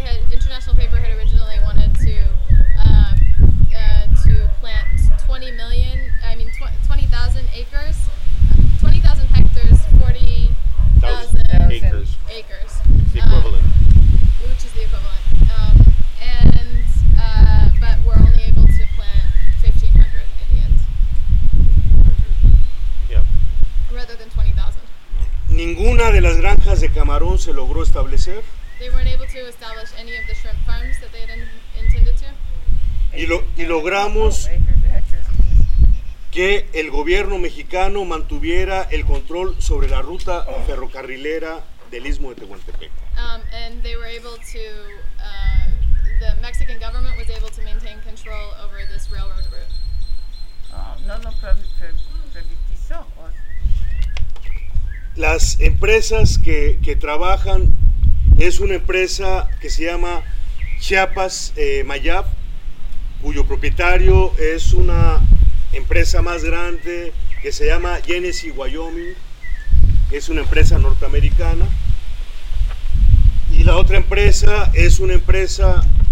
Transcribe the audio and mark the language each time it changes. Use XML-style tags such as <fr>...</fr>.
<en>International Paper had originally wanted to plant 20,000 acres, 20,000 hectares, 40,000 acres. The equivalent. Which is the equivalent. But we're only able to plant 1,500 in the end. Yeah. Rather than 20,000.</en> <es>Ninguna de las granjas de camarón se logró establecer.</es> <en>They weren't able to establish any of the shrimp farms that they had intended to.</en> <es>Y logramos que el gobierno mexicano mantuviera el control sobre la ruta ferrocarrilera del Istmo de Tehuantepec.</es> <en>The Mexican government was able to maintain control over this railroad route.</en> <es>Las empresas que trabajan es una empresa que se llama Chiapas Mayab, cuyo propietario es una empresa más grande que se llama Genesee Wyoming, es una empresa norteamericana, y la otra empresa es una empresa</es>